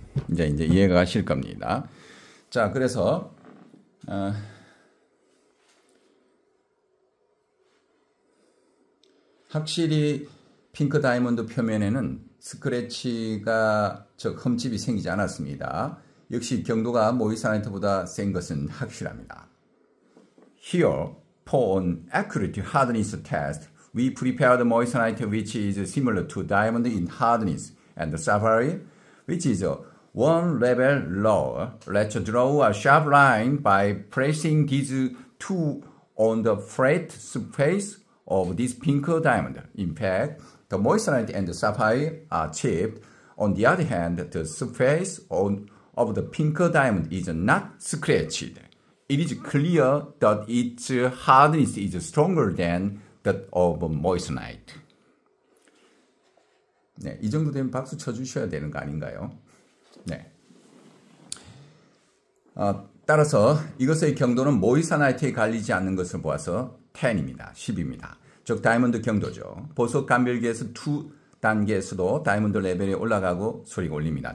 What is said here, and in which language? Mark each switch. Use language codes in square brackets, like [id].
[ko] 이제 이해가 가실 겁니다. 자, 그래서 확실히 핑크 다이몬드 표면에는 스크래치가 즉 흠집이 생기지 않았습니다. 역시 경도가 모이사나이트보다 센 것은 확실합니다. [en] Here, for an accurate hardness test, we prepared moissanite which is similar to diamond in hardness and sapphire, which is one level lower. Let's draw a sharp line by placing these two on the flat surface of this pink diamond. In fact, the moissanite and the sapphire are chipped. On the other hand, the surface of the pink diamond is not scratched. It is clear that its hardness is stronger than that of moissanite. [ko] 네, 이 정도 되면 박수 쳐주셔야 되는 거 아닌가요? 네. 따라서 이것의 경도는 모이사나이트에 갈리지 않는 것을 보아서 10입니다. 10입니다. 즉 다이몬드 경도죠. 보석 감별기에서 2 단계에서도 다이몬드 레벨이 올라가고 소리가 올립니다.